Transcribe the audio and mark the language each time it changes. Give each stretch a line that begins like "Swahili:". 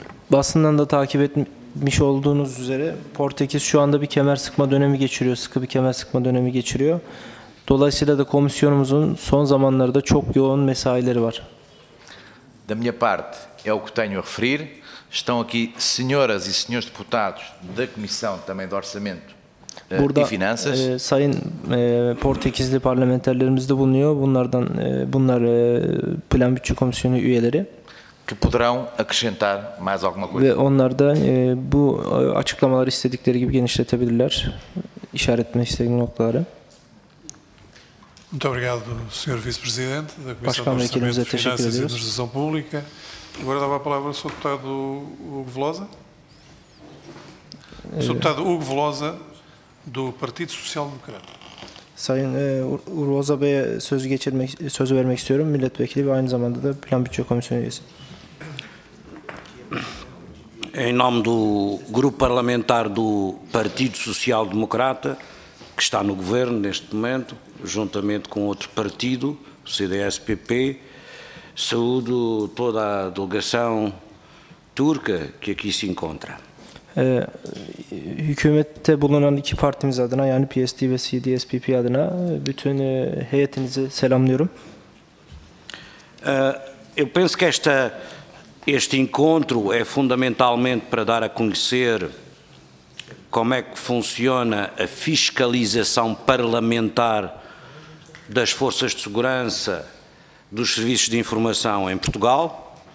Turkish: Basından da takip etmiyor. bilmiş olduğunuz üzere Portekiz şu anda bir kemer sıkma dönemi geçiriyor. Sıkı bir kemer sıkma dönemi geçiriyor. Dolayısıyla da komisyonumuzun son zamanlarda çok yoğun mesaileri var.
Portuguese: Da minha parte é o que tenho a referir. Estão aqui senhoras e senhores deputados da Comissão também de Orçamento
Turkish: burada,
Portuguese: e Finanças.
Turkish: Sayın Portekizli parlamenterlerimiz de bulunuyor. Bunlardan bunlar Plan Bütçe Komisyonu üyeleri.
Portuguese: Que poderão acrescentar mais alguma coisa.
Turkish: Ve onlar da bu açıklamaları istedikleri gibi genişletebilirler. İşaret etmek istediğim noktaları.
Portuguese: Muito obrigado, Sr. Vice-Presidente da Comissão de Orçamento, Finanças e Administração Pública. Agora dava a palavra ao Sr. Deputado Hugo Velosa. Sr. Deputado Hugo Velosa, do Partido Social Democrata.
Turkish: Sayın Uruoza Bey'e sözü geçirmek, sözü vermek istiyorum. Milletvekili ve aynı zamanda da Plan Bütçe Komisyonu üyesi.
Portuguese: Em nome do grupo parlamentar do Partido Social Democrata, que está no governo neste momento, juntamente com outro partido, o CDS-PP, saúdo toda a delegação turca que aqui se encontra.
Turkish: Hükümette bulunan iki partimiz adına, yani PSD ve CDS-PP adına bütün heyetinizi selamlıyorum.
Portuguese: Eu penso que este encontro é fundamentalmente para dar a conhecer como é que funciona a fiscalização parlamentar das forças de segurança dos serviços de informação em Portugal.